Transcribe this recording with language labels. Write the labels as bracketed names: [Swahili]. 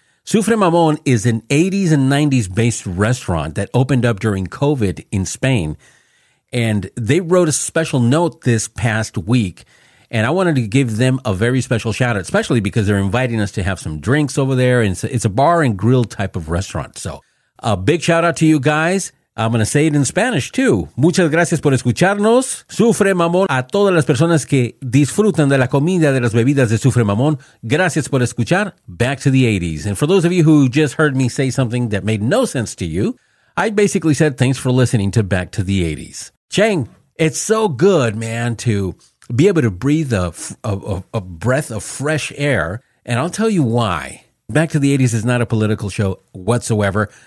[English] Sufre Mamón is an 80s and 90s based restaurant that opened up during COVID in Spain. And they wrote a special note this past week. And I wanted to give them a very special shout out, especially because they're inviting us to have some drinks over there. And it's a bar and grill type of restaurant. So a big shout out to you guys. I'm going to say it in Spanish, too. [Spanish] Muchas gracias por escucharnos. Sufre Mamón. A todas las personas que disfrutan de la comida, de las bebidas de Sufre Mamón, gracias por escuchar. [English] Back to the 80s. And for those of you who just heard me say something that made no sense to you, I basically said thanks for listening to Back to the 80s. Chang, it's so good, man, to be able to breathe a breath of fresh air. And I'll tell you why. Back to the 80s is not a political show whatsoever.